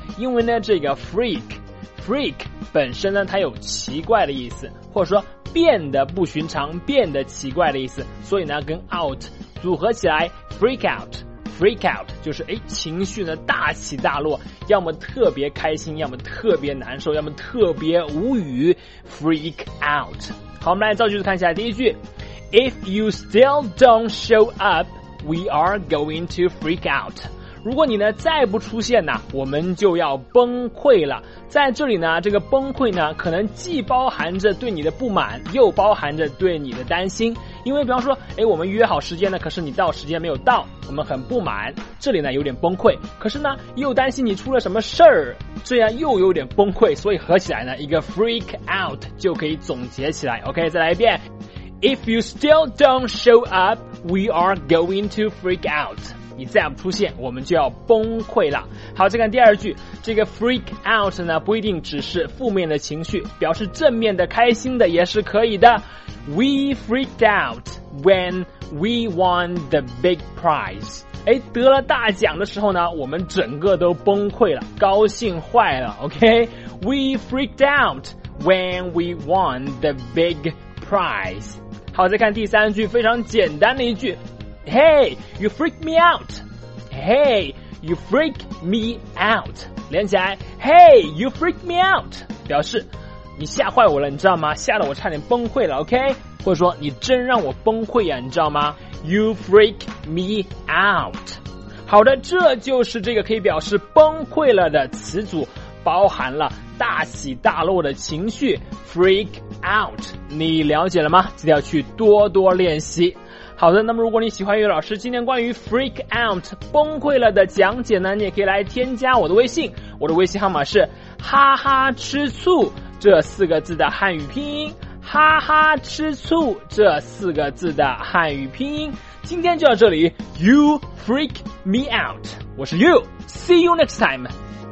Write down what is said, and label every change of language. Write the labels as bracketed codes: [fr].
[zh] 因为呢，这个 freak 本身呢，它有奇怪的意思，或者说变得不寻常、变得奇怪的意思，所以呢，跟 out 组合起来 freak out 就是哎，情绪呢大起大落，要么特别开心，要么特别难受，要么特别无语 freak out。好，我们来造句子看一下第一句。 [en] If you still don't show up, we are going to freak out. [zh] 如果你呢再不出现呢，我们就要崩溃了。在这里呢，这个崩溃呢，可能既包含着对你的不满，又包含着对你的担心。因为比方说，哎，我们约好时间呢，可是你到时间没有到，我们很不满，这里呢有点崩溃。可是呢，又担心你出了什么事儿，这样又有点崩溃。所以合起来呢，一个 freak out 就可以总结起来。 OK， 再来一遍。 [en] If you still don't show up, we are going to freak out. [zh] 你再不出现，我们就要崩溃了。好，再看第二句，这个 freak out 呢，不一定只是负面的情绪，表示正面的、开心的也是可以的。 [en] We freaked out when we won the big prize. [zh] 哎，得了大奖的时候呢，我们整个都崩溃了，高兴坏了。 [en] OK, we freaked out when we won the big prize. [zh] 好，再看第三句，非常简单的一句 [en] Hey, you freak me out [zh] Hey, you freak me out 连起来 Hey, you freak me out 表示你吓坏我了，你知道吗？吓得我差点崩溃了 OK 或者说你真让我崩溃呀，你知道吗？ [en] You freak me out [zh] 好的，这就是这个可以表示崩溃了的词组，包含了大喜大落的情绪 freak out， 你了解了吗？记得要去多多练习。好的，那么如果你喜欢于老师今天关于 freak out 崩溃了的讲解呢，你也可以来添加我的微信，我的微信号码是哈哈吃醋这四个字的汉语拼音，哈哈吃醋这四个字的汉语拼音。今天就到这里， [en] You freak me out， 我是 You， See you next time。